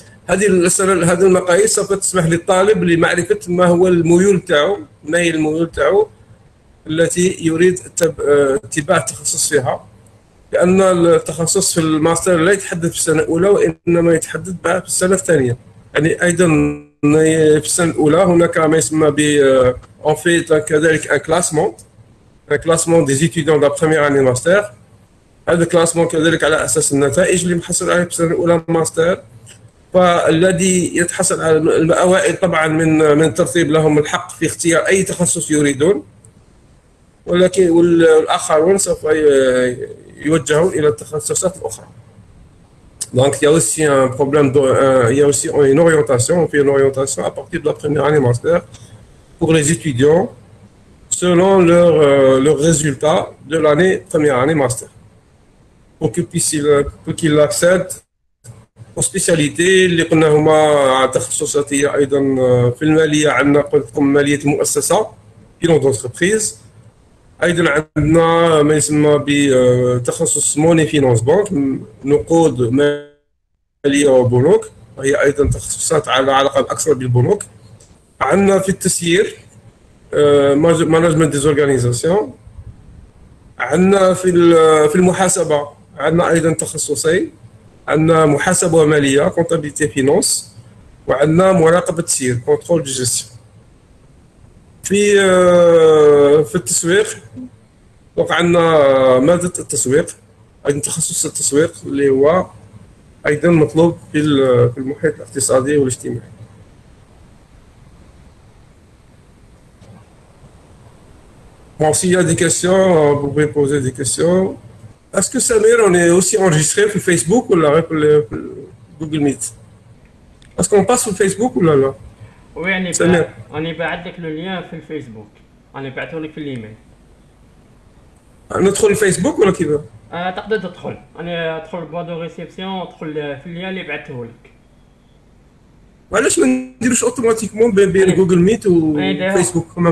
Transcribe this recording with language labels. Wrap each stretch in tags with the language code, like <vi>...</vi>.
<ar>هذه المقاييس سوف تسمح للطالب لمعرفة ما هو الميول بتاعه، ما هي الميول بتاعه التي يريد اتباع التخصص فيها. لأن التخصص في الماستر لا يتحدد في السنة الأولى، وإنما يتحدد بعد في السنة الثانية. يعني أيضا في السنة الأولى هناك ما يسمى ب en fait كذلك</ar> <fr>un classement des étudiants de la première année master.</fr> <ar>هذا الكلاسمون كذلك على أساس النتائج اللي محصل عليها في السنة الأولى ماستر. فالذي يتحصل على الأوائل طبعا من الترتيب لهم الحق في اختيار أي تخصص يريدون، ولكن والآخرون سوف يوجهون إلى التخصصات الأخرى.</ar> <fr>Donc, il y a aussi un problème, il y a aussi une orientation, on fait une orientation à partir de la première année master pour les étudiants selon leur résultat de l'année première année master pour qu'ils accèdent aux spécialités.</fr> <ar>اللي قلنا هما تخصصاتية أيضا في المالية، عندنا قلت لكم مالية المؤسسة في نوت دونتربريز، ايضا عندنا ما يسمى بتخصص موني فينانس بانك نقود ماليه وبنوك، وهي ايضا تخصصات على علاقه اكثر بالبنوك. عندنا في التسيير مانجمنت دي زورغانيزاسيون، عندنا في المحاسبه عندنا ايضا تخصصين، عندنا محاسبه وماليه كونتابيتي فينانس، وعندنا مراقبه تسيير كونترول دي جيستيون. في التسويق وقع عندنا مادة التسويق، أيضا تخصص التسويق اللي هو أيضا مطلوب في المحيط الاقتصادي والاجتماعي.</ar> <fr>Bon, s'il y a des questions, vous pouvez poser des questions. Est-ce que Samir, on est aussi enregistré sur Facebook ou là, sur Google Meet? Est-ce qu'on passe sur Facebook ou là?</fr> <ar>وي يعني سمير. انا بعد لك لو ليان في الفيسبوك، انا بعته لك في الايميل. ندخل الفيسبوك ولا كيف؟ تقدر تدخل، انا ادخل</ar> <fr>بوا دو ريسيبسيون،</fr> <ar>ادخل في الليان اللي بعته لك. علاش ما نديروش اوتوماتيكمون بين جوجل ميت وفيسبوك؟</ar>